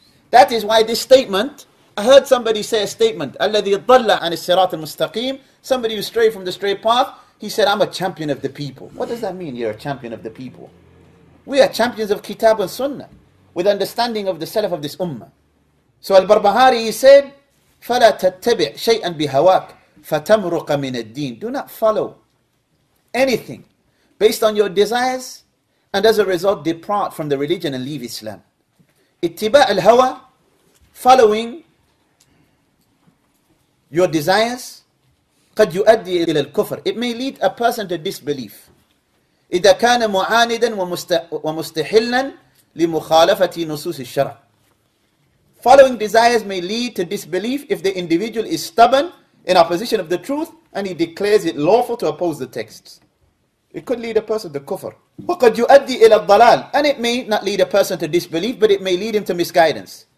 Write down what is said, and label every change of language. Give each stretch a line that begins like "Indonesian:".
English: That is why this statement, I heard somebody say a statement,
Arabic: الَّذِي ضَلَّ عَنِ السِّرَاطِ الْمُسْتَقِيمِ,
English: somebody who strayed from the straight path, he said, I'm a champion of the people. What does that mean, you're a champion of the people? We are champions of Kitab and Sunnah, with understanding of the Salaf of this Ummah. So Al-Barbahari, he said,
Arabic: فَلَا تَتَّبِعْ شَيْئًا بِهَوَاكْ فَتَمْرُقَ مِنَ الدِّينِ.
English: Do not follow anything based on your desires, and as a result, depart from the religion and leave Islam.
Arabic: اتِّبَاعَ الْهَوَى,
English: following your desires,
Arabic: قد يؤدي إلى الكفر.
English: It may lead a person to disbelief.
Arabic: إذا كان معاندا ومستحلا لمخالفة نصوص الشرع.
English: Following desires may lead to disbelief if the individual is stubborn in opposition of the truth and he declares it lawful to oppose the texts. It could lead a person to kufr.
Arabic: وقد يؤدي إلى الضلال.
English: And it may not lead a person to disbelief, but it may lead him to misguidance.